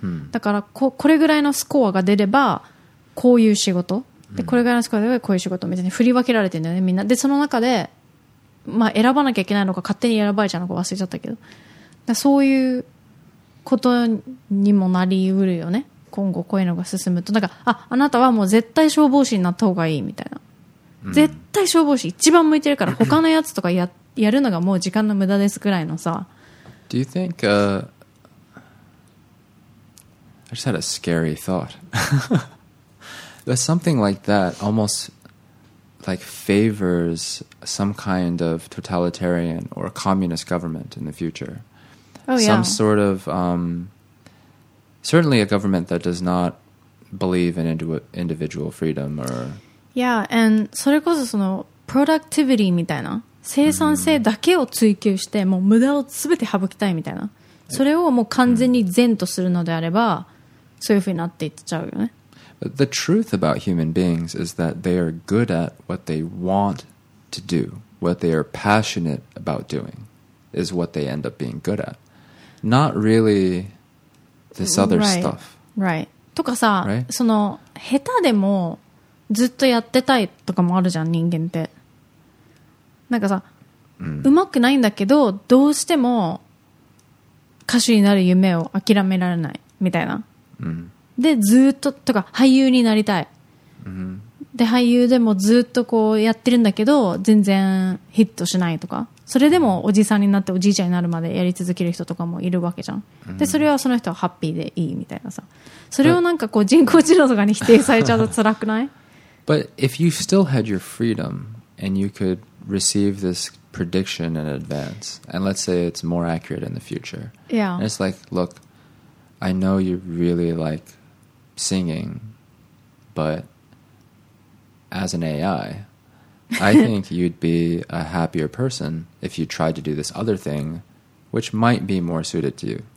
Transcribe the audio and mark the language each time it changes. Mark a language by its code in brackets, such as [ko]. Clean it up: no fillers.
[ja] だから これぐらいのスコアが出ればこういう仕事でこれぐらいのスコアが出ればこういう仕事みたいに振り分けられてるんだよねみんなでその中で、まあ、選ばなきゃいけないのか勝手に選ばれちゃうのか忘れちゃったけどだそういうことにもなりうるよね今後こういうのが進むとなんか あなたはもう絶対消防士になった方がいいみたいな、絶対消防士一番向いてるから他のやつとか やるのがもう時間の無駄ですぐらいのさ [en] Do you think I just had a scary thought. But something like that almost like favors some kind of totalitarian or communist government in the future. Oh, some yeah. Some sort of... certainly a government that does not believe in individual freedom or... Yeah, and [ja] それこそその productivity みたいな生産性だけを追求してもう無駄を全て省きたいみたいなそれをもう完全に善とするのであればそういうふうになっていっちゃうよね。 [en] But the truth about human beings is that they are good at what they want to do. What they are passionate about doing is what they end up being good at. Not really this other stuff. Right. [ja] とかさ、その下手でもずっとやってたいとかもあるじゃん、人間って。なんかさ、うまくないんだけど、どうしても歌手になる夢を諦められないみたいな。でずっととか俳優になりたい、で俳優でもずっとこうやってるんだけど全然ヒットしないとかそれでもおじさんになっておじいちゃんになるまでやり続ける人とかもいるわけじゃん、でそれはその人はハッピーでいいみたいなさそれをなんかこう人工知能とかに否定されちゃうと辛くない [en] But if you still had your freedom and you could receive this prediction in advance and let's say it's more accurate in the future Yeah. And it's like lookI know you really like singing, but as an AI, I think you'd be a happier person if you tried to do this other thing, which might be more suited to you.